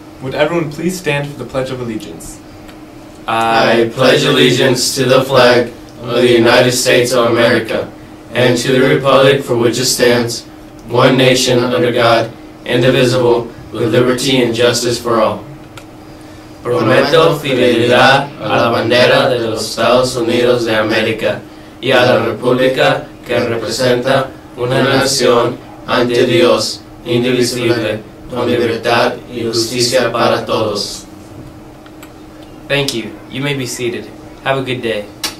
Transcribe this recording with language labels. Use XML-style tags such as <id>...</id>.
<en>Would everyone please stand for the Pledge of Allegiance? I pledge allegiance to the flag of the United States of America and to the Republic for which it stands, one nation under God, indivisible, with liberty and justice for all.</en> <es>Prometo fidelidad a la bandera de los Estados Unidos de América y a la República que representa una nación ante Dios indivisible.</es> <en>Thank you. You may be seated. Have a good day.</en>